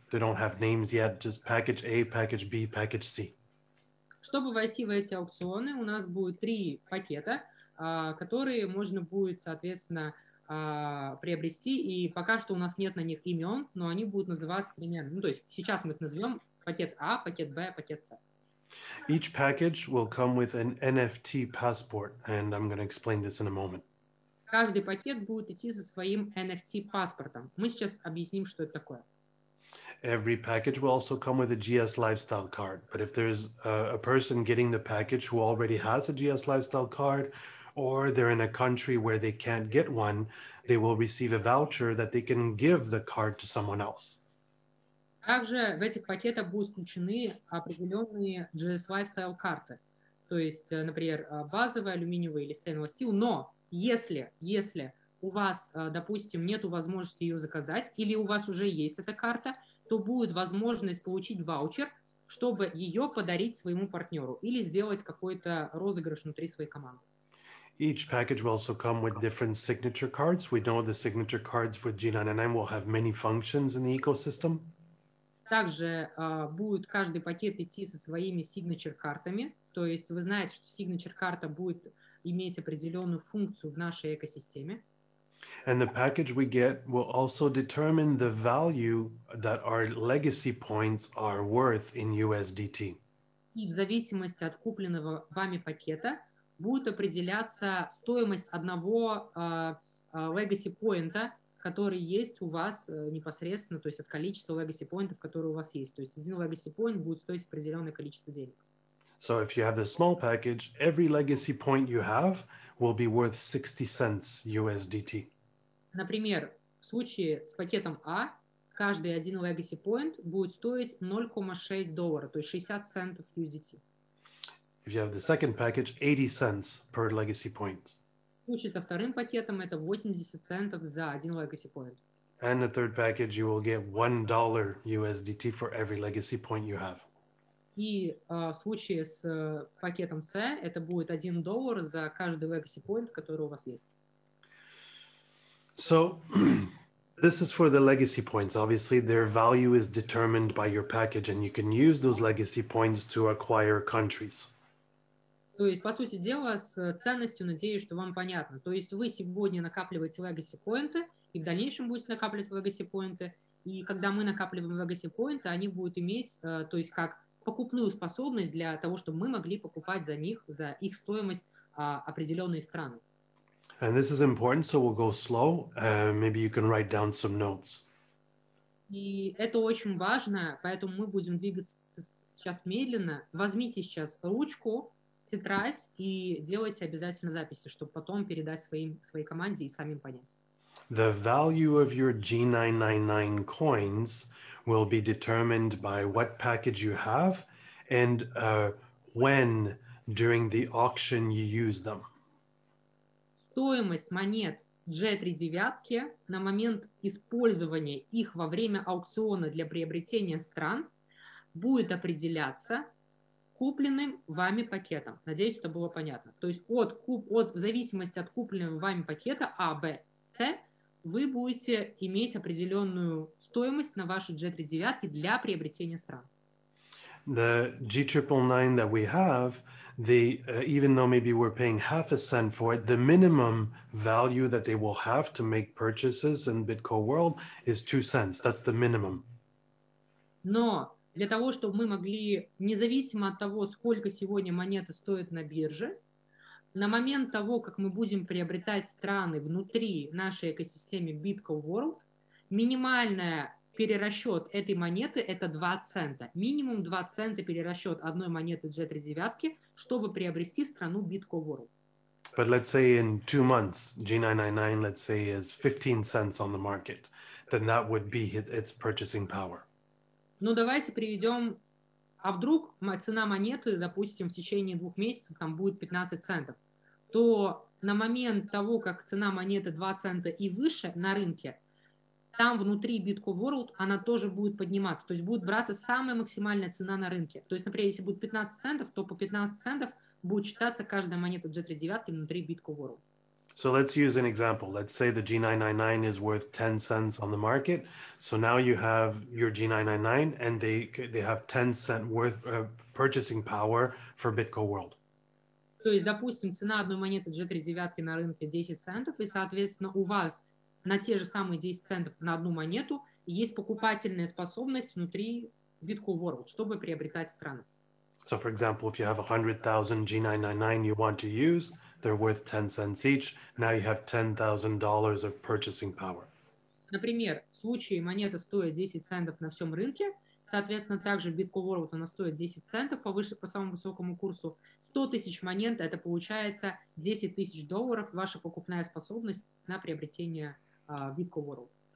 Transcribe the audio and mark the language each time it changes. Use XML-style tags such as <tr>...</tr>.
<en>They don't have names yet, just package A, package B, package C.</en> <ru>Чтобы войти в эти аукционы, у нас будет три пакета, которые можно будет, соответственно, приобрести. И пока что у нас нет на них имен, но они будут называться примерно. Ну, то есть сейчас мы их назовем пакет А, пакет Б, пакет С.</ru> <en>Each package will come with an NFT passport, and I'm going to explain this in a moment.</en> <ru>Каждый пакет будет идти со своим NFT паспортом. Мы сейчас объясним, что это такое.</ru> <en>Every package will also come with a GS lifestyle card. But if there's a person getting the package who already has a GS lifestyle card, or they're in a country where they can't get one, they will receive a voucher that they can give the card to someone else.</en> <ru>Также в этих пакетах будут включены определенные GS Lifestyle карты. То есть, например, базовая, алюминиевая или stainless steel. Но если у вас, допустим, нет возможности ее заказать, или у вас уже есть эта карта, то будет возможность получить ваучер, чтобы ее подарить своему партнеру или сделать какой-то розыгрыш внутри своей команды.</ru> <en>Each package will also come with different signature cards. We know the signature cards for G99 will have many functions in the ecosystem.</en> <ru>Также будет каждый пакет идти со своими signature картами. То есть вы знаете, что signature карта будет иметь определенную функцию в нашей экосистеме.</ru> <en>And the package we get will also determine the value that our legacy points are worth in USDT.</en> <ru>И в зависимости от купленного вами пакета будет определяться стоимость одного legacy point'а, который есть у вас непосредственно, то есть от количества legacy point'ов, которые у вас есть. То есть один legacy point будет стоить определенное количество денег.</ru> <en>So if you have a small package, every legacy point you have will be worth 60 cents USDT.</en> <ru>Например, в случае с пакетом А, каждый один legacy point будет стоить 0,6 доллара, то есть 60 центов USDT.</ru> <en>If you have the second package, 80 cents per legacy point.</en> <ru>В случае со вторым пакетом это 80 центов за один legacy point.</ru> <en>And the third package, you will get $1 USDT for every legacy point you have.</en> <ru>И в случае с пакетом С, это будет $1 за каждый legacy point, который у вас есть.</ru> <en>So, this is for the legacy points. Obviously, their value is determined by your package, and you can use those legacy points to acquire countries.</en> <ru>То есть, по сути дела, с ценностью, надеюсь, что вам понятно. То есть вы сегодня накапливаете legacy поинты, и в дальнейшем будете накапливать legacy поинты. И когда мы накапливаем legacy поинты, они будут иметь, то есть как покупную способность для того, чтобы мы могли покупать за них, за их стоимость определенные страны.</ru> <en>And this is important, so we'll go slow. Maybe you can write down some notes.</en> <ru>И это очень важно, поэтому мы будем двигаться сейчас медленно. Возьмите сейчас ручку, тетрадь и делайте обязательно записи, чтобы потом передать своей команде и самим понять.</ru> <en>The value of your G999 coins will be determined by what package you have and when during the auction you use them.</en> <ru>Стоимость монет G3-9 на момент использования их во время аукциона для приобретения стран будет определяться купленным вами пакетом. Надеюсь, это было понятно. То есть в зависимости от купленного вами пакета А, Б, С, вы будете иметь определенную стоимость на ваши G3-9 для приобретения стран.</ru> <en>The G999 that we have, even though maybe we're paying half a cent for it, the minimum value that they will have to make purchases in Bitco World is 2 cents. That's the minimum.</en> <ru>Но для того, чтобы мы могли, независимо от того, сколько сегодня монета стоит на бирже, на момент того, как мы будем приобретать страны внутри нашей экосистемы Bitco World, минимальный перерасчет этой монеты – это 2 цента. Минимум 2 цента перерасчет одной монеты G3-9, чтобы приобрести страну Bitco World.</ru> <en>But let's say in 2 months, G999, let's say, is 15 cents on the market. Then that would be its purchasing power.</en> <ru>Ну, давайте приведем, а вдруг цена монеты, допустим, в течение 2 месяцев там будет 15 центов, то на момент того, как цена монеты 2 цента и выше на рынке, там внутри Bitco World она тоже будет подниматься, то есть будет браться самая максимальная цена на рынке. То есть, например, если будет 15 центов, то по 15 центов будет считаться каждая монета G3-9 внутри Bitco World.</ru> <en>So let's use an example. Let's say the G999 is worth 10 cents on the market. So now you have your G999 and they have 10 cent worth purchasing power for Bitco World.</en> <ru>То есть, допустим, цена одной монеты G3-9 на рынке 10 центов, и, соответственно, у вас на те же самые 10 центов на одну монету есть покупательная способность внутри Bitco World, чтобы приобретать страны.</ru> <en>So, for example, if you have 100,000 G999 you want to use, they're worth 10 cents each. Now you have $10,000 of purchasing power.</en> <ru>Например, в случае монета стоит 10 центов на всем рынке, Соответственно, также Bitcoin World, она стоит 10 центов по самому высокому курсу. 100 тысяч монет, это получается 10 тысяч долларов, ваша покупная способность на приобретение Bitcoin World.</ru>